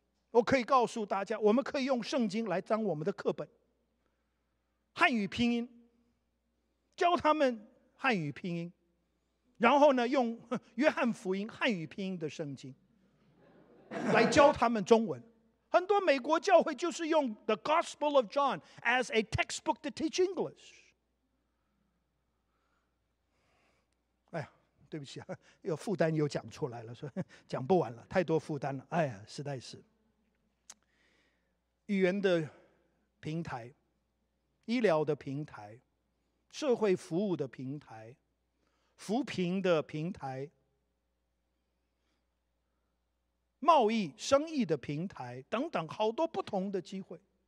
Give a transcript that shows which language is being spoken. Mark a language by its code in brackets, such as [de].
[zh] 我可以告诉大家，我们可以用圣经来当我们的课本，汉语拼音，教他们汉语拼音，然后呢，用约翰福音汉语拼音的圣经来教他们中文。很多美国教会就是用 [en] The Gospel of John as a textbook to teach English。 [zh] 哎呀，对不起，有负担又讲出来了，说讲不完了，太多负担了，哎呀，实在是语言的平台、医疗的平台、社会服务的平台、扶贫的平台、贸易生意的平台等等，好多不同的机会。